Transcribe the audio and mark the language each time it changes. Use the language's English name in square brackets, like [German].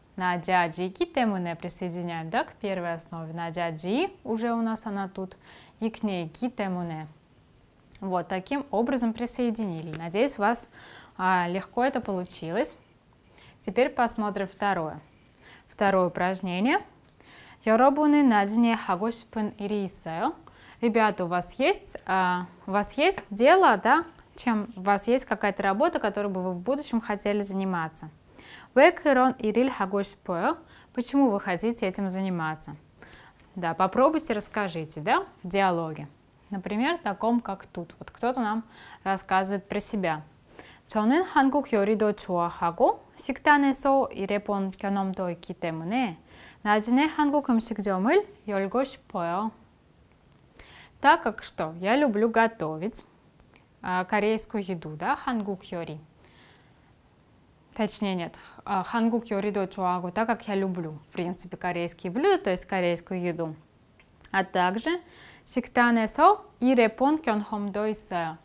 [Russian] Наджаджи ки тэмуне присоединяем, да, к первой основе. Наджаджи, уже у нас она тут, и к ней ки тэмуне. Вот таким образом присоединили. Надеюсь, у вас легко это получилось. Теперь посмотрим второе. Второе упражнение. [Korean] 여러분은 나중에 하고 싶은 일이 있어요? [Russian] Ребята, у вас есть дело, да? Чем у вас есть какая-то работа, которую бы вы в будущем хотели заниматься? [Korean] 왜 그런 일을 하고 싶어요? [Russian] Почему вы хотите этим заниматься? Да, попробуйте расскажите, да, в диалоге. Например, таком, как тут. Вот кто-то нам рассказывает про себя. [Korean] 저는 한국 요리도 좋아하고 식단에서 일해본 경험도 있기 때문에 나중에 한국 음식점을 열고 싶어요. [Russian] Так как что? Я люблю готовить корейскую еду, да? [Korean] 한국 요리. [Russian] Точнее, нет. [Korean] 한국 요리도 좋아하고, [Russian] так как я люблю, в принципе, корейские блюда, то есть корейскую еду. А также... [Korean] 식단에서 일해본 경험도 있어요.